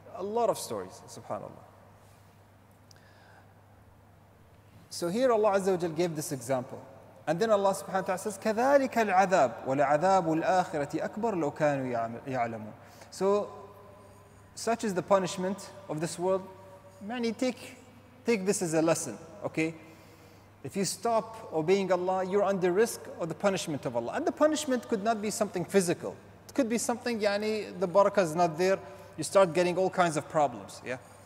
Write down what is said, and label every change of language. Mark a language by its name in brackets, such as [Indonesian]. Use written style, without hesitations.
[English] A lot of stories, subhanAllah. So here Allah Azza wa Jal gave this example. And then Allah subhanahu wa ta'ala says, [Arabic] كَذَلِكَ الْعَذَابُ وَلَعَذَابُ الْآخِرَةِ أَكْبَرُ لَوْ كَانُوا يَعْلَمُونَ. [English] So such is the punishment of this world. Many take this as a lesson, okay? If you stop obeying Allah, you're under risk of the punishment of Allah. And the punishment could not be something physical. It could be something, the barakah is not there. You start getting all kinds of problems, yeah?